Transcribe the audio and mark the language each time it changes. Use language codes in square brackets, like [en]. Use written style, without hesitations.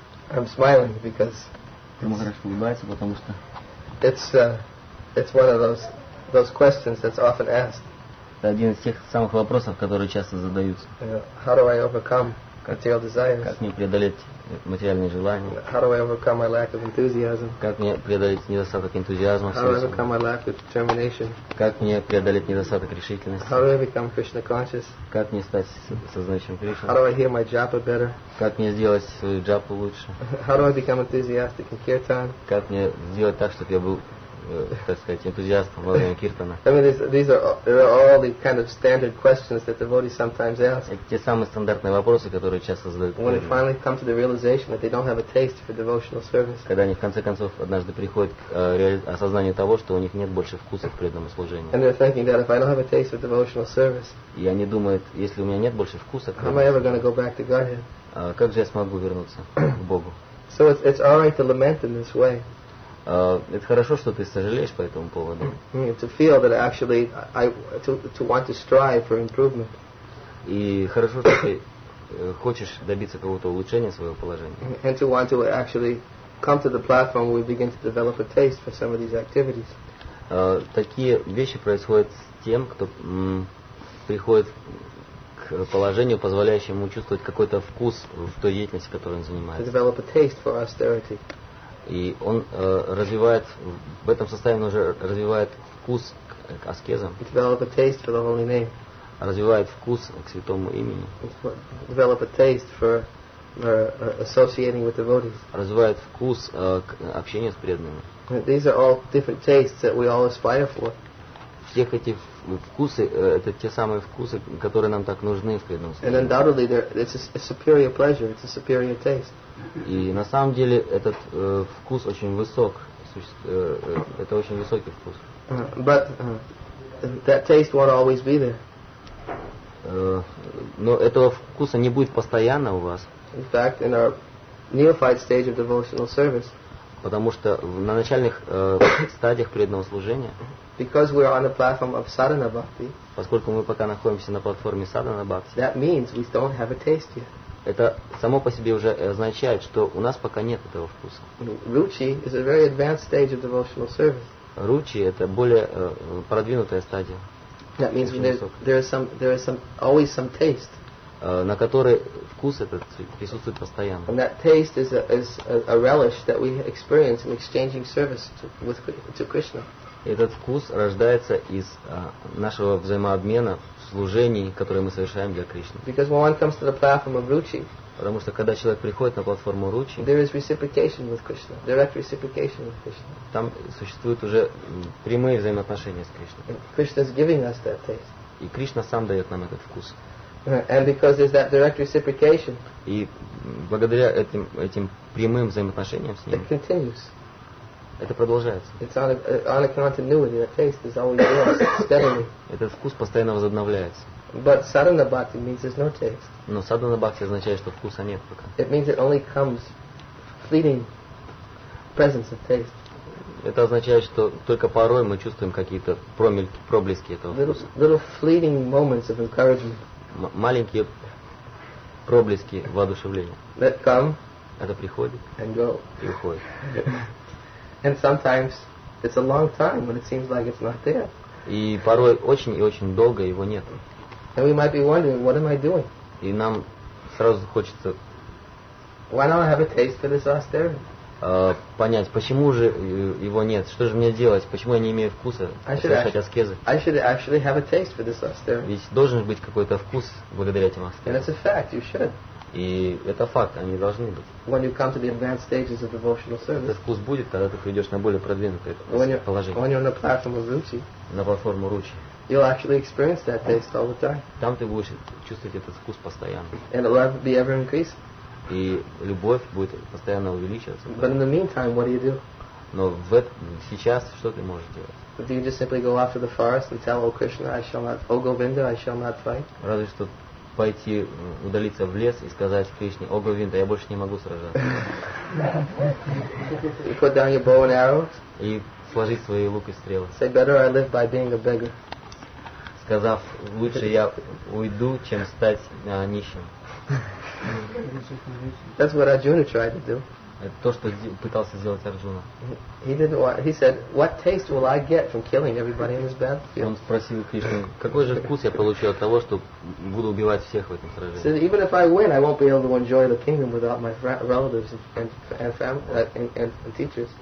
[en] I'm smiling because it's one of those questions that's often asked. [ru] Это один из тех самых вопросов, которые часто задаются. [en] How do I overcome material desires? [ru] Как мне преодолеть материальные желания? [en] How do I overcome my lack of enthusiasm? [ru] Как мне преодолеть недостаток энтузиазма? [en] How do I overcome my lack of determination? [ru] Как мне преодолеть недостаток решительности? [en] How do I become Krishna conscious? [ru] Как мне стать сознающим Кришной? [en] How do I hear my japa better? [ru] Как мне сделать свою джапу лучше? [en] How do I become enthusiastic in kirtan? [ru] Как мне сделать так, чтобы я был, так сказать, энтузиастом во время киртана? [en] I mean, these are all the kind of standard questions that devotees sometimes ask. [ru] Те самые стандартные вопросы, которые часто задают. [en] When they finally come to the realization that they don't have a taste for devotional service. [ru] Когда они в конце концов однажды приходят к осознанию того, что у них нет больше вкуса к преданному служению. [en] And they're thinking that if I don't have a taste for devotional service. [ru] И они думают, если у меня нет больше вкуса к преданному служению. [en] How am I ever going to go back to Godhead? [ru] Как же я смогу вернуться к Богу? [en] So it's all right to lament in this way. [ru] Это хорошо, что ты сожалеешь по этому поводу. [en] To feel that actually I to want to strive for improvement. [ru] И хорошо, что ты хочешь добиться какого-то улучшения своего положения. [en] And to want to actually come to the platform where we begin to develop a taste for some of these activities. [ru] Такие вещи происходят с тем, кто приходит к положению, позволяющему чувствовать какой-то вкус в той деятельности, которой он занимается. [en] To develop a taste for austerity. [ru] И он развивает, в этом состоянии он уже развивает вкус к аскезам. [en] Develop a taste for the holy name. [ru] Развивает вкус к святому имени. [en] Develop a taste for associating with devotees. [ru] Развивает вкус к общению с преданными. [en] These are all different tastes that we all aspire for. [ru] Все эти вкусы, это те самые вкусы, которые нам так нужны в преданном служении. [en] And undoubtedly, it's a superior pleasure, it's a superior taste. [ru] И на самом деле этот вкус очень высок, это очень высокий вкус. [en] But that taste won't always be there. [ru] Но этого вкуса не будет постоянно у вас. [en] In fact, in our neophyte stage of devotional service. [ru] Потому что на начальных стадиях преданного служения. [en] Because we are on the platform of sadhana bhakti. [ru] Поскольку мы пока находимся на платформе sadhana bhakti. [en] That means we don't have a taste yet. [ru] Это само по себе уже означает, что у нас пока нет этого вкуса. [en] Ruchi is a very advanced stage of devotional service. [ru] Ruchi – это более продвинутая стадия. [en] That means there is some always some taste. [ru] На которой вкус этот присутствует постоянно. [en] And that taste is a relish that we experience in exchanging service to Krishna. [ru] Этот вкус рождается из нашего взаимообмена служений, которые мы совершаем для Кришны. [en] Because when one comes to the platform of Ruchi, [ru] потому что когда человек приходит на платформу Ruchi, [en] there is reciprocation with Krishna, direct reciprocation with Krishna. [ru] Там существуют уже прямые взаимоотношения с Кришной. [en] Krishna is giving us that taste. [ru] И Кришна сам дает нам этот вкус. [en] And because there's that direct reciprocation, [ru] и благодаря этим прямым взаимоотношениям с ним, [en] it continues. [ru] Это продолжается. [en] It's on a continuity. The taste is always there, steadily. [ru] Этот вкус постоянно возобновляется. [en] But sadhana bhakti means there's no taste. [ru] Но sadhana bhakti означает, что вкуса нет пока. [en] It means it only comes fleeting presence of taste. [ru] это означает, что только порой мы чувствуем какие-то промельки, проблески этого вкуса. [en] Little fleeting moments of encouragement. [ru] Маленькие проблески воодушевления. [en] That come. [ru] Это приходит. [en] And go. [ru] И уходит. [en] And sometimes it's a long time when it seems like it's not there. [ru] И порой очень и очень долго его нет. [en] And we might be wondering, what am I doing? [ru] И нам сразу хочется. [en] Why don't I have a taste for this austerity? [ru] Понять, почему же его нет? Что же мне делать? Почему я не имею вкуса совершать аскезы? [en] I should actually have a taste for this austerity. [ru] Ведь должен быть какой-то вкус благодаря этим аскезам. [en] And it's a fact, you should. [ru] И это факт, они должны быть. [en] When you come to the advanced stages of devotional service. [ru] Этот вкус будет, когда ты придешь на более продвинутое положение. [en] When you're on the platform of Ruchi. [ru] На платформу Ruchi. [en] You'll actually experience that taste all the time. [ru] Там ты будешь чувствовать этот вкус постоянно. [en] And it'll be ever increasing. [ru] И любовь будет постоянно увеличиваться. [en] But in the meantime, what do you do? [ru] Но в это, сейчас что ты можешь делать? [en] Do you just simply go after the forest and tell O Krishna, I shall not, O Govinda, I shall not fight? [ru] Разве что пойти удалиться в лес и сказать Кришне, О Говинда, я больше не могу сражаться. [en] You put down your bow and arrows. [ru] И сложить свои лук и стрелы. [en] Say better I live by being a beggar. [ru] Сказав, лучше я уйду, чем стать нищим. [en] That's what Arjuna tried to do. [ru] То, что пытался сделать Арджуна. [en] He didn't want, he said, what taste will I get from killing everybody in this battlefield? [ru] Он спросил Кришну, какой же вкус я получу от того, что буду убивать всех в этом сражении? [en] Said, even if I win, I won't be able to enjoy the kingdom without my relatives and family and teachers.